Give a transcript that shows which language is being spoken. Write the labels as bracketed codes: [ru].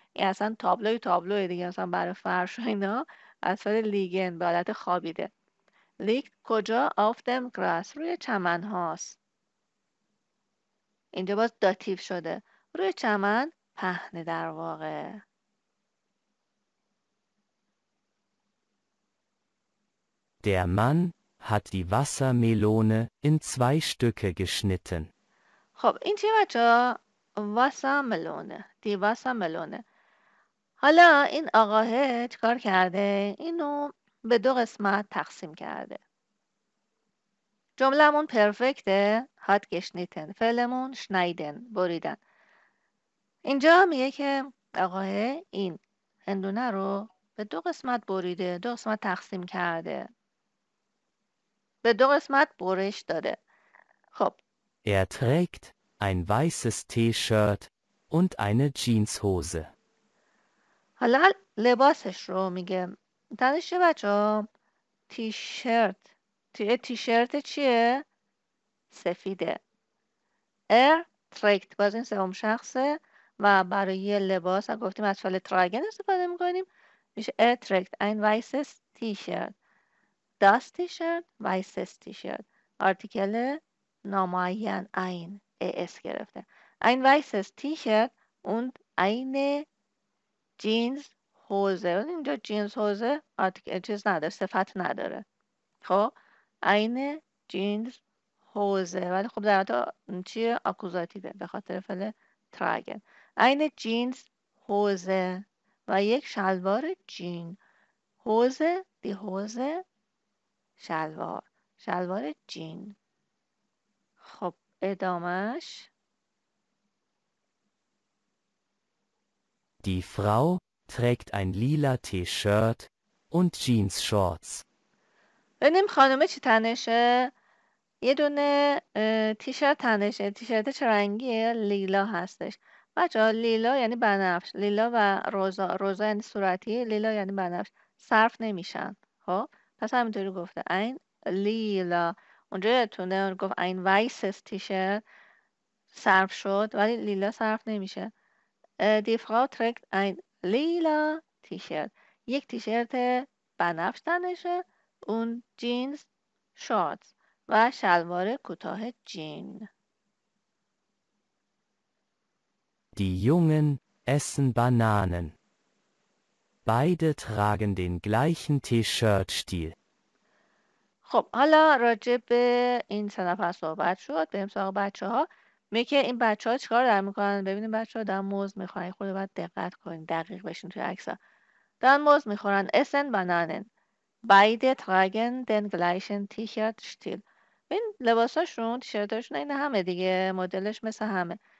[fa] اصلا تابلوی تابلوی دیگه، اصلا برای فرش و اینا اصلا لیگن به حالت خوابیده. لیکت کجا؟ [de] آف دم گراس، [fa] روی چمن هاست. اینجا باز داتیف شده، روی چمن پهنه در واقع. [de] Der Mann hat die Wassermelone in zwei Stücke geschnitten. [fa] خب این چیه بچه ها؟ واسامالونه. دی واسامالونه. حالا این آقاه چکار کرده؟ اینو به دو قسمت تقسیم کرده. جملهمون پرفکته، هات گشنیتن. فعلمون شنایدن، بریدن. اینجا میگه که آقاه این هندونه رو به دو قسمت بریده، دو قسمت تقسیم کرده. به دو قسمت برش داده. خب. [de] Er trägt ein weißes T-Shirt und eine Jeanshose. [fa] حالا لباسش رو میگه. تنش چه بچه ها؟ تیشرت. تیشرت چیه؟ سفیده. [de] Er trägt. [fa] باز این سوم شخصه و برای لباس هم گفتیم از فعل تراگن استفاده میکنیم. [de] میشه er trägt ein weißes T-Shirt. Das T-Shirt, weißes T-Shirt. [fa] آرتیکل نامعین این اس گرفته. [de] این وایسس تیشرت و این جینز هوزه. [fa] اینجا جینز هوزه چیز نداره، صفت نداره. خب این جینز هوزه، ولی خب در حالت چیه؟ اکوزاتیوه به خاطر فعل تراگن. این جینز هوزه و یک شلوار جین. هوزه دی هوزه شلوار، شلوار جین. خب ادامش. [de] Die Frau trägt ein lila T-Shirt und Jeans Shorts. [fa] ببینیم خانمه چی تنشه؟ یه دونه تیشرت تنشه. تیشرت چه رنگی؟ لیلا هستش. بچه ها لیلا یعنی بنفش. لیلا و روزا. روزا یعنی صورتی. لیلا یعنی بنفش. صرف نمیشن. خب؟ پس همینطوری گفته. این لیلا. اونجا تونه گفت این وایسس تیشرت صرف شد. ولی لیلا صرف نمیشه. [de] Die Frau trägt ein lila T-Shirt. [fa] یک تیشرت بنفش تنشه و جینز شورتس و شلوار کوتاه جین. [de] Die Jungen essen Bananen. Beide tragen den gleichen T-Shirt-Stil. [fa] خب حالا راجع به این سه نفر صحبت شد، بریم سراغ بچه ها. میگه این بچه ها چیکار دارن میکنن؟ ببینیم بچه ها دارن موز میخورن. خود باید دقت کنین، دقیق بشین توی عکس ها. دارن موز میخورن. اسن بنانن. [de] بایده تراغن دن گلایشن تیشرت شتیل. [fa] این لباساشون، تیشرتاشون این همه دیگه، مدلش مثل همه.